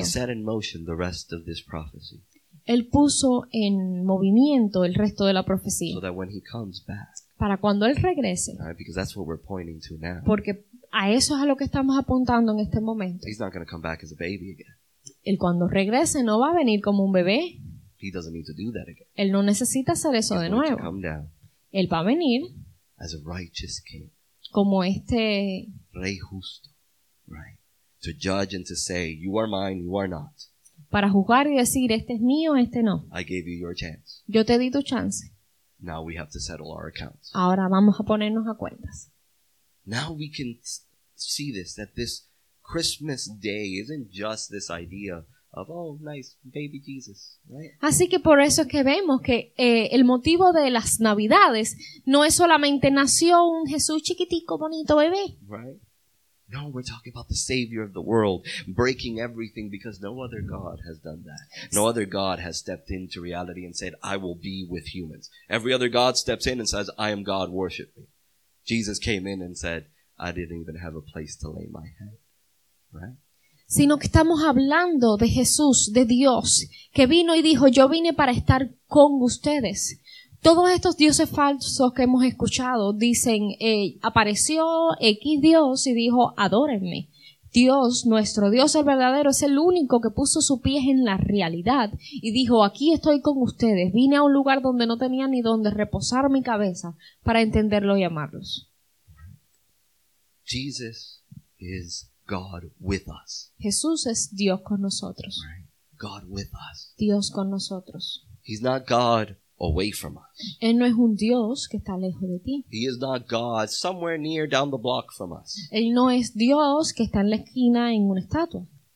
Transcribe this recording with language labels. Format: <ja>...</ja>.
<en>He set in motion the rest of this prophecy.</en> <es>Él puso en movimiento el resto de la profecía.</es> <en>So that when he comes back,</en> <es>para cuando él regrese.</es> <en>Right, because that's what we're pointing to now.</en> <es>Porque a eso es a lo que estamos apuntando en este momento.</es> <en>He's not going to come back as a baby again.</en> <es>Él cuando regrese no va a venir como un bebé.</es> <en>He doesn't need to do that again.</en> <es>Él no necesita hacer eso</es> <en>He's</en> <es>de nuevo.</es> <en>To come down</en> <es>Él va a venir</es> <en>as a righteous king.</en> <es>Como este rey justo,</es> <en>right? To judge and to say, you are mine, you are not.</en> <es>Para juzgar y decir, este es mío, este no.</es> <en>I gave you your chance.</en> <es>Yo te di tu chance.</es> <en>Now we have to settle our accounts.</en> <es>Ahora vamos a ponernos a cuentas.</es> <en>Now we can see this, that this Christmas day isn't just this idea of, oh, nice baby Jesus, right?</en> <es>Así que por eso es que vemos que el motivo de las Navidades no es solamente nació un Jesús chiquitico, bonito bebé.</es> <en>Right? No, we're talking about the Savior of the world breaking everything because no other God has done that. No other God has stepped into reality and said, I will be with humans. Every other God steps in and says, I am God, worship me. Jesus came in and said, I didn't even have a place to lay my head. Right?</en> <es>Sino que estamos hablando de Jesús, de Dios, que vino y dijo, yo vine para estar con ustedes. Todos estos dioses falsos que hemos escuchado dicen, apareció X Dios y dijo, adórenme. Dios, nuestro Dios el verdadero, es el único que puso su pie en la realidad y dijo, aquí estoy con ustedes. Vine a un lugar donde no tenía ni donde reposar mi cabeza para entenderlo y amarlos.</es> <en>Jesus is God with us.</en> <es>Jesús es Dios con nosotros.</es> <en>God with us.</en> <es>Dios con nosotros.</es> <en>He's not God away from us.</en> <es>Él no es un Dios que está lejos de ti.</es> <en>He is not God somewhere near down the block from us.</en> <es>Él no es Dios que está en la esquina en una estatua.</es>